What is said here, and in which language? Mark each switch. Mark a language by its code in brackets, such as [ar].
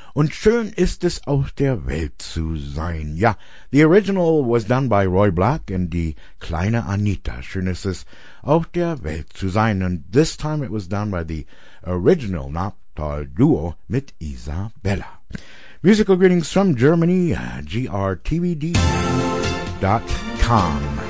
[de] Und schön ist es, auf der Welt zu sein. [en] Ja, the original was done by Roy Black and die kleine Anita. [de] Schön ist es, auf der Welt zu sein. [en] And this time it was done by the original Nabtal Duo mit Isabella. Musical greetings from Germany, grtvd.com.